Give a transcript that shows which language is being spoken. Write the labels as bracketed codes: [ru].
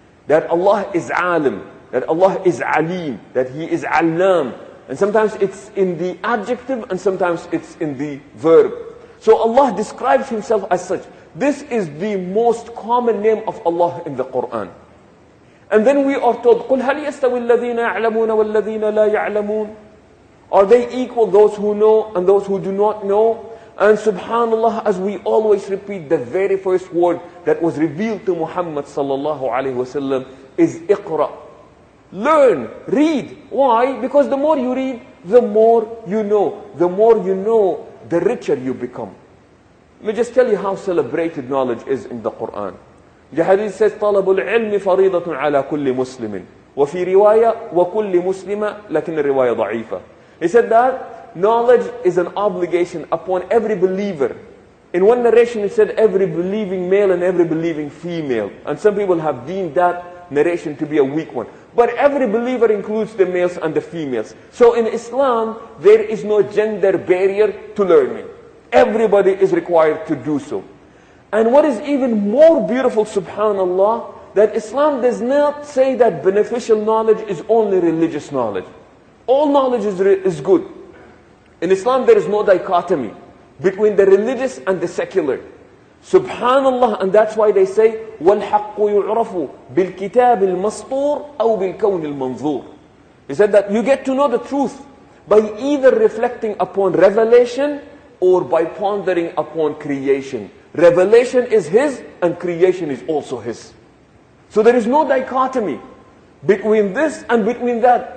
[en] that Allah is alim, that Allah is alim, that He is allam. And sometimes it's in the adjective and sometimes it's in the verb. So Allah describes Himself as such. This is the most common name of Allah in the Quran. And then we are told, [ar] قُلْ هَلْ يَسْتَوِي الَّذِينَ يَعْلَمُونَ وَالَّذِينَ لَا يَعْلَمُونَ. [en] Are they equal, those who know and those who do not know? And subhanAllah, as we always repeat, the very first word that was revealed to Muhammad sallallahu alayhi wasallam is iqra. Learn, read. Why? Because the more you read, the more you know. The more you know, the richer you become. Let me just tell you how celebrated knowledge is in the Quran. The hadith says, [ar] طَلَبُ الْعِلْمِ فَرِيضَةٌ عَلَى كُلِّ مُسْلِمٍ وَفِي رِوَايَةٍ وَكُلِّ مُسْلِمَةٍ لَكِنَّ الرِّوَايَةَ ضَعِيفَةٌ. [en] He said that knowledge is an obligation upon every believer. In one narration it said every believing male and every believing female. And some people have deemed that narration to be a weak one. But every believer includes the males and the females. So in Islam, there is no gender barrier to learning. Everybody is required to do so. And what is even more beautiful, subhanAllah, that Islam does not say that beneficial knowledge is only religious knowledge. All knowledge is good. In Islam, there is no dichotomy between the religious and the secular. [ar] Subhanallah, [en] and that's why they say, [ar] وَالْحَقُّ يُعْرَفُ بِالْكِتَابِ الْمَسْطُورِ أَوْ بِالْكَوْنِ الْمَنْظُورِ. [en] He said that you get to know the truth by either reflecting upon revelation or by pondering upon creation. Revelation is His and creation is also His. So there is no dichotomy between this and between that.